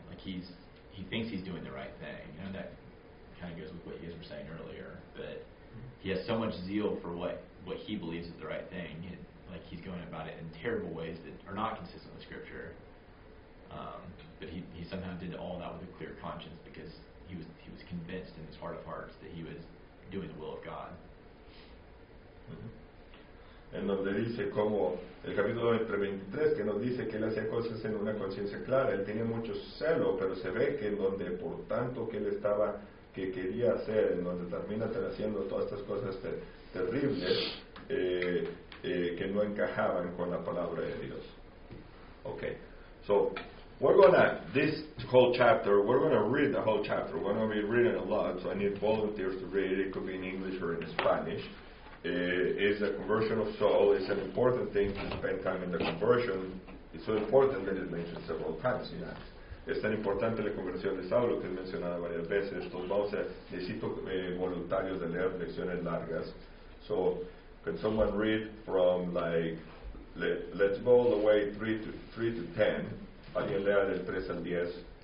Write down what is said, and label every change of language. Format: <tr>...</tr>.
<en>Like, he thinks he's doing the right thing. And that kind of goes with what you guys were saying earlier. But he has so much zeal for what he believes is the right thing. like he's going about it in terrible ways that are not consistent with Scripture. But he somehow did all that with a clear conscience because he was convinced in his heart of hearts that he was doing the will of God. Mm-hmm.</en> <es>En donde dice como el capítulo 23 que nos dice que él hacía cosas en una conciencia clara, él tenía mucho celo, pero se ve que en donde por tanto que él estaba que quería hacer, en donde termina haciendo todas estas cosas terribles que no encajaban con la palabra de Dios.</es> <en>Okay. So, we're going to, this whole chapter, we're going to read the whole chapter. We're going to be reading a lot, so I need volunteers to read it. It could be in English or in Spanish. It's the conversion of Saul. It's an important thing to spend time in the conversion. It's so important that it mentions several times in Acts.</en> <es>Es tan importante la conversión de Saulo que he mencionado varias veces. Entonces, vamos a, necesito voluntarios de leer lecciones largas.</es> <en>So, can someone read from like, let's go all the way 3 to 10.</en> <es>¿Alguien lea del 3 al 10?</es>